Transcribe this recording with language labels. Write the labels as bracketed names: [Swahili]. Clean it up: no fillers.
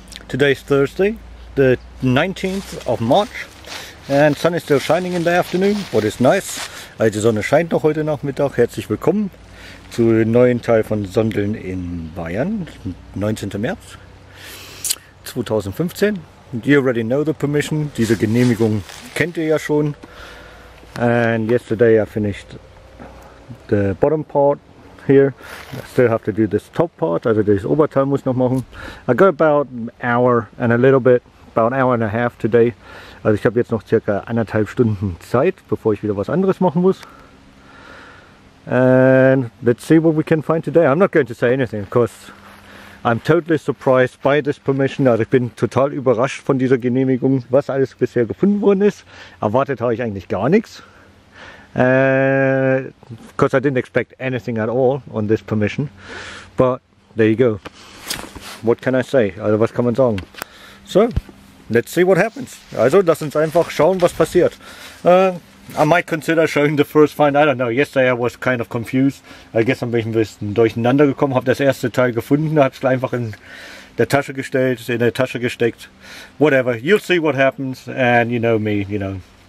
[English] Today's Thursday, the 19th of March, and sun is still shining in the afternoon, what is nice. [German] Also, die Sonne scheint noch heute Nachmittag. Herzlich willkommen zu dem neuen Teil von Sondeln in Bayern, 19. März 2015. [English] You already know the permission, [German] diese Genehmigung kennt ihr ja schon. [English] And yesterday I finished the bottom part here. I still have to do this top part, [German] also das Oberteil muss noch machen. [English] I go about an hour and a little bit, about an hour and a half today. [German] Also ich habe jetzt noch circa anderthalb Stunden Zeit, bevor ich wieder was anderes machen muss. [English] And let's see what we can find today. I'm not going to say anything, because I'm totally surprised by this permission. [German] Also ich bin total überrascht von dieser Genehmigung, was alles bisher gefunden worden ist. Erwartet habe ich eigentlich gar nichts. [English] Because I didn't expect anything at all on this permission, but there you go. What can I say? [German] Also, was kann man sagen? [English] So, let's see what happens. [German] Also, lass uns einfach schauen, was passiert. [English] I might consider showing the first find. I don't know. Yesterday I was kind of confused. [German] Gestern bin ich ein bisschen durcheinander gekommen, habe das erste Teil gefunden, habe es einfach in der Tasche gesteckt. [English] Whatever. You'll see what happens, and you know me, you know.